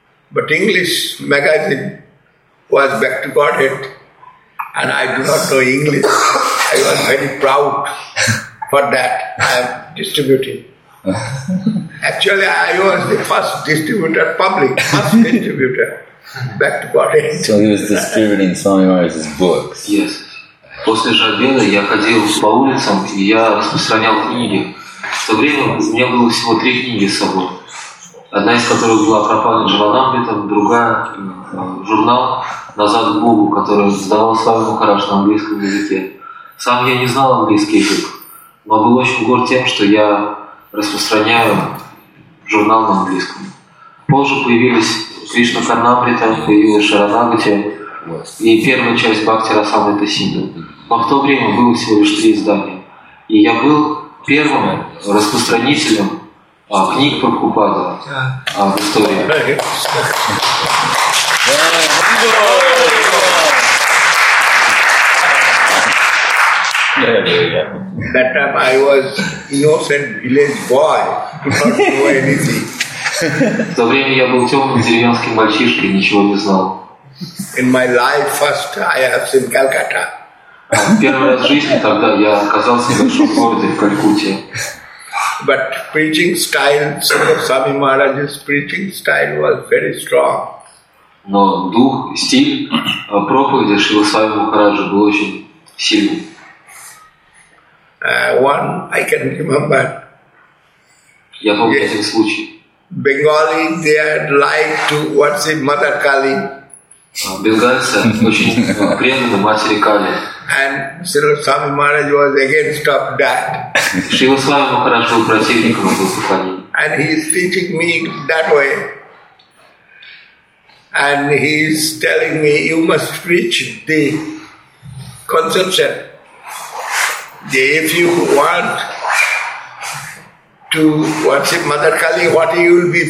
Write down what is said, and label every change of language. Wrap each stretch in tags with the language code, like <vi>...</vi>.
<en>But English magazine was back to Godhead and I do not know English. I was very proud for that. I am distributing. Actually, I was the first distributor, public, first distributor back to Godhead. So he was distributing Swami Maharaj's books. Yes.</en> <ru>После же обеда я ходил по улицам и я распространял книги. В то время у меня было всего 3 книги с собой. Одна из которых была Прапана Джаванамбита, другая журнал «Назад к Богу», который сдавал Свами Махарадж на английском языке. Сам я не знал английский язык, но был очень горд тем, что я распространяю журнал на английском. Позже появились Кришна Карнамбрита, появилась Шаранагати. И первая часть Бхакти Расамрита Синдху. Но в то время было всего лишь 3 издания. И я был первым распространителем книг Прабхупады в истории.</ru> <en>That time I was innocent village boy, could not do anything.</en> <ru>В то время я был темным деревенским мальчишкой, ничего не знал.</ru> <en>In my life, first I have seen Calcutta.</en> <ru>Первый раз в жизни тогда я оказался в большом городе в Калькутте.</ru> <en>But preaching style, Swami Maharaj's preaching style was very strong.</en> <ru>Но дух, стиль проповеди Шрила Свами Махараджа был очень сильным.</ru> <en>One I can remember.</en> <ru>Я помню один случай.</ru> <en>Bengali, they had like to worship Mother Kali.</en> <ru>Бенгальцы очень преданы матери Кали.</ru> <en>And Srila Swami Maharaj was against of that.</en> <ru>Шрила Свами Махарадж был противником выступания.</ru> <en>And he is teaching me that way. And he is telling me, you must preach the conception. If you want to worship Mother Kali, what you will be?</en>